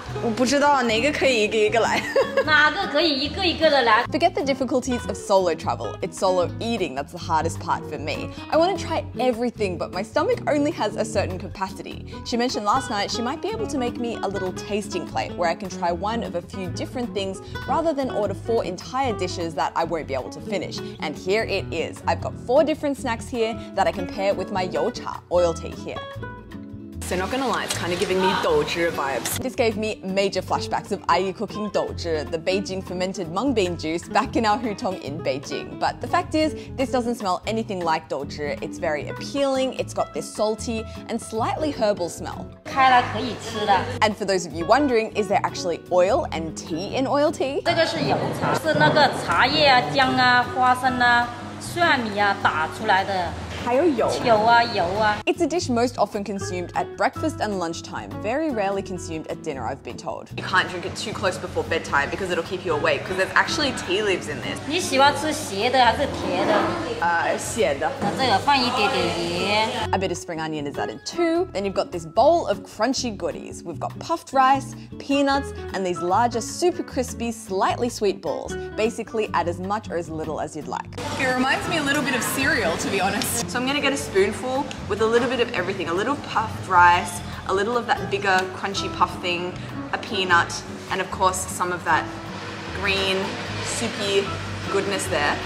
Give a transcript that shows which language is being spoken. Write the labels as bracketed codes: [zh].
[zh] 我不知道哪个可以一个一个来。哪个可以一个一个的来。 [en] Forget the difficulties of solo travel. It's solo eating that's the hardest part for me. I want to try everything, but my stomach only has a certain capacity. She mentioned last night she might be able to make me a little tasting plate where I can try one of a few different things rather than order four entire dishes that I won't be able to finish. And here it is. I've got four different snacks here that I can pair with my you cha, oil tea here. So not gonna lie, it's kind of giving me douzhi vibes. This gave me major flashbacks of Ayu cooking douzhi, the Beijing fermented mung bean juice back in our hutong in Beijing. But the fact is, this doesn't smell anything like douzhi. It's very appealing, it's got this salty and slightly herbal smell. And for those of you wondering, is there actually oil and tea in oil tea? This is yao cha, is [zh] 那个茶叶啊、姜啊、花生啊、蒜米啊打出来的。还有油啊油啊 [en] It's a dish most often consumed at breakfast and lunchtime, very rarely consumed at dinner, I've been told. You can't drink it too close before bedtime because it'll keep you awake because there's actually tea leaves in this. [zh] 你喜欢吃咸的还是甜的? 咸的。那这个放一点点盐。 [en] A bit of spring onion is added too. Then you've got this bowl of crunchy goodies. We've got puffed rice, peanuts, and these larger, super crispy, slightly sweet balls. Basically, add as much or as little as you'd like. It reminds me a little bit of cereal, to be honest. So I'm gonna get a spoonful with a little bit of everything. A little puffed rice, a little of that bigger crunchy puff thing, a peanut, and of course some of that green soupy goodness there.